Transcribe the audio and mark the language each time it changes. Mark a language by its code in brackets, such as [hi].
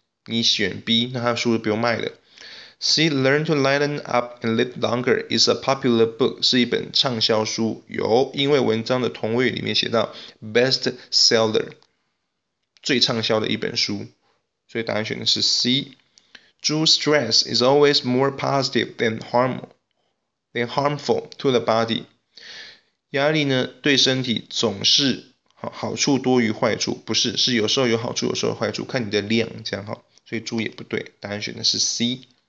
[zh] 你选 B， 那它书就不用卖了。 [en] C. Learn to lighten up and live longer is a popular book [zh] 是一本畅销书，有因为文章的同位里面写到 [en] best seller。 [zh] 最畅销的一本书，所以答案选的是 C。 [en] 猪 stress is always more positive than harmful to the body。 [zh] 压力呢，对身体总是 好处多于坏处，不是，是有时候有好处，有时候有坏处，看你的量这样哈。所以猪也不对，答案选的是 C。